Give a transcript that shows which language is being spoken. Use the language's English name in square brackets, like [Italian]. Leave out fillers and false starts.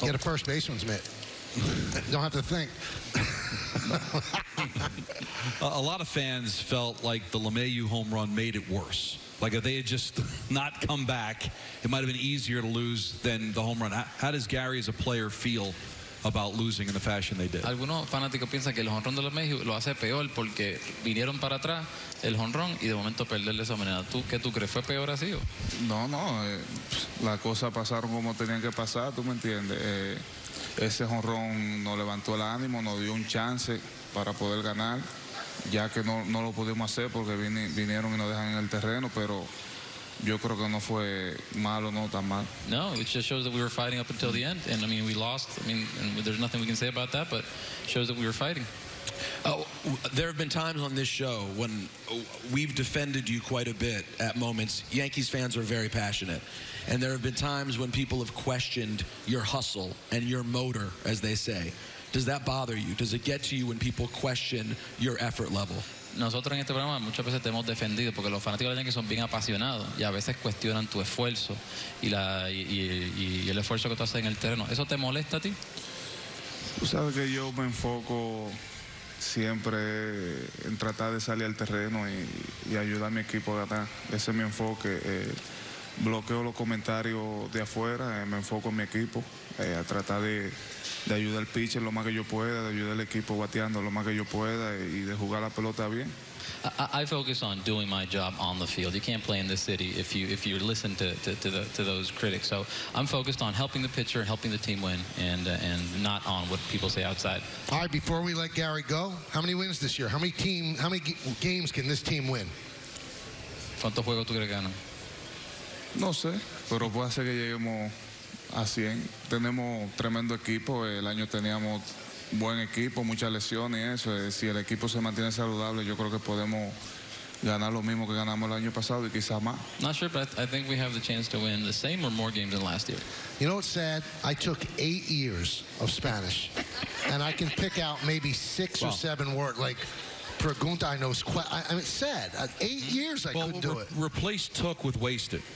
[English] Get a first baseman's mitt. Don't have to think. A lot of fans felt like the LeMahieu home run made it worse. Like, if they had just not come back, it might have been easier to lose than the home run. How does Gary as a player feel about losing in the fashion they did? [Spanish] Algunos fanáticos piensan que el home run de LeMahieu lo hace peor porque vinieron para atrás el home run y de momento perder de esa manera. ¿Qué tú crees? ¿Fue peor así? No. Las cosas pasaron como tenían que pasar, tú me entiendes. Ese home run nos levantó el ánimo, nos dio un chance para poder ganar. Ya que no lo pudimos hacer porque vinieron y nos dejan en el terreno, pero yo creo que no fue malo, no tan mal. [English] No, it just shows that we were fighting up until the end, and I mean, we lost. I mean, and there's nothing we can say about that, but it shows that we were fighting. There have been times on this show when we've defended you quite a bit at moments. Yankees fans are very passionate, and there have been times when people have questioned your hustle and your motor, as they say. Does that bother you? Does it get to you when people question your effort level? [Spanish] Nosotros en este programa muchas veces te hemos defendido porque los fanáticos de Yankees son bien apasionados y a veces cuestionan tu esfuerzo y el esfuerzo que tú haces en el terreno. ¿Eso te molesta a ti? Tú sabes que yo me enfoco siempre en tratar de salir al terreno y ayudar a mi equipo de atrás. Ese es mi enfoque. Bloqueo los comentarios de afuera, me enfoco en mi equipo, a tratar de ayudar al pitcher lo más que yo pueda, de ayudar al equipo bateando lo más que yo pueda y de jugar la pelota bien. [English] I focus on doing my job on the field. You can't play in this city if you listen to those critics. So I'm focused on helping the pitcher, helping the team win, and not on what people say outside. All right, before we let Gary go, how many wins this year? How many games can this team win? [Spanish] ¿Cuántos juegos tú quieres ganar? No sé, pero puede ser que lleguemos a 100. Tenemos tremendo equipo. El año teníamos buen equipo, muchas lesiones y eso. Si el equipo se mantiene saludable, yo creo que podemos ganar lo mismo que ganamos el año pasado y quizás más. [English] Not sure, but I think we have the chance to win the same or more games than last year. You know what's sad? I took 8 years of Spanish, and I can pick out maybe 6 or 7 words, like... Pregunta, I know, it's sad. 8 years I couldn't do it. Replace took with wasted.